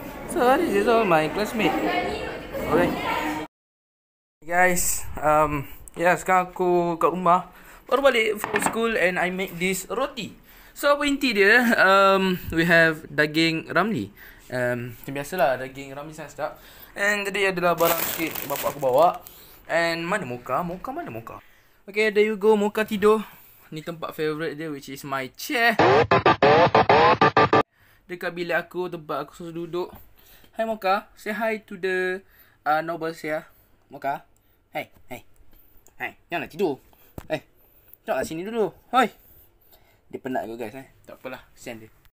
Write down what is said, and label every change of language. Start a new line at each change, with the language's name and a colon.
English: Sorry, this is my classmate. Alright.
Malay: Guys, sekarang aku kat rumah. Baru balik
English: from school and I make this roti. So
Malay: apa inti dia,
English: we have
Malay: daging ramli. Macam biasalah, daging ramli sangat sedap. And tadi adalah barang sikit bapak aku bawa.
English: And
Malay: mana Mocha? Mocha mana
English: Mocha? Okay, there you go, Mocha
Malay: tidur. Ni tempat favourite dia,
English: which is my chair.
Malay: Dekat bilik aku, tempat aku selalu duduk.
English: Hi Mocha, say hi to the nobles
Malay: ya.
English: Mocha, hey,
Malay: janganlah tidur. Hey, janganlah sini dulu, hoi. Dia penat aku guys eh. Tak apalah, kesian dia.